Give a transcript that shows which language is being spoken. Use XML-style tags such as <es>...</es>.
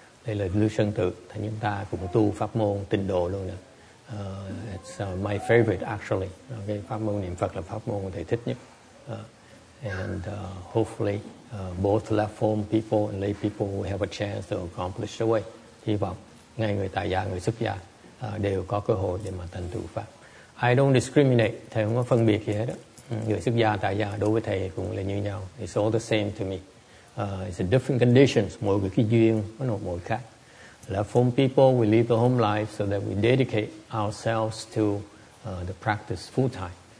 <vi>Đây là lưu sơn tự, thì chúng ta cũng tu pháp môn tịnh độ luôn nè.</vi> <en>It's my favorite actually.</en> <vi>Okay, pháp môn niệm Phật là pháp môn thầy thích nhất.</vi> <en>And hopefully both left home people and lay people will have a chance to accomplish the way.</en> <vi>Hy vọng ngay người tại gia, người xuất gia đều có cơ hội để mà thành tựu pháp.</vi> <en>I don't discriminate,</en> <vi>thầy không có phân biệt gì hết đó. Người xuất gia, tại gia đối với thầy cũng là như nhau.</vi> <en>It's all the same to me. It's a different conditions.</en> <vi>Mỗi cái duyên có một mỗi khác.</vi> <en>Left home people, we leave the home life so that we dedicate ourselves to the practice full time.</en>